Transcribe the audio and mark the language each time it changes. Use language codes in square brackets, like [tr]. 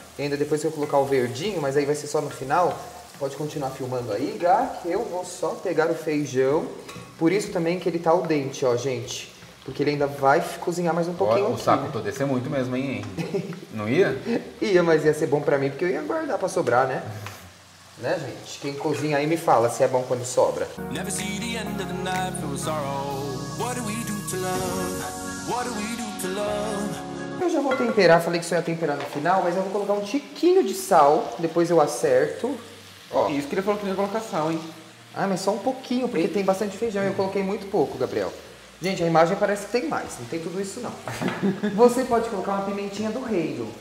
[pt] E ainda depois que eu colocar o verdinho, mas aí vai ser só no final. Pode continuar filmando aí, Gá, que eu vou só pegar o feijão. Por isso também que ele tá al dente, ó, gente. Porque ele ainda vai cozinhar mais um pouquinho. Ó, o aqui, saco, né? Tô descendo muito mesmo, hein? Não ia? Ia, mas ia ser bom pra mim, porque eu ia guardar pra sobrar, né? Né, gente? Quem cozinha aí me fala se é bom quando sobra. [en] Never see the end of the night for sorrow. What do we do to love? What do we do to love? [pt] Eu já vou temperar, falei que só ia temperar no final, mas eu vou colocar um tiquinho de sal, depois eu acerto. Ó. Isso que ele falou que não ia colocar sal, hein? Ah, mas só um pouquinho, porque tem bastante feijão e eu coloquei muito pouco, Gabriel. Gente, a imagem parece que tem mais, não tem tudo isso não. Você pode colocar uma pimentinha do reino.